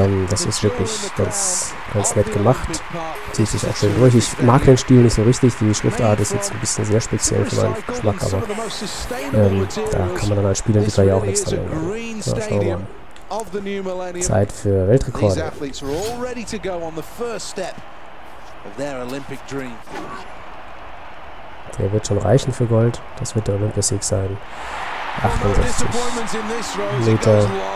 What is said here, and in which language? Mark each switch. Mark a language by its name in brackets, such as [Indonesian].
[German] Das ist wirklich ganz, ganz nett gemacht. Zieht sich auch schön durch. Ich mag den Stil nicht so richtig. Die Schriftart ist jetzt ein bisschen sehr speziell für meinen Geschmack, aber da kann man dann als Spielentwickler ja auch nichts dran machen. So, schauen wir mal. Zeit für Weltrekorde. [English] These athletes are all ready to go on the first step of their Olympic dream. [German] Der wird schon reichen für Gold. Das wird der Olympiasieg sein. 68 Meter.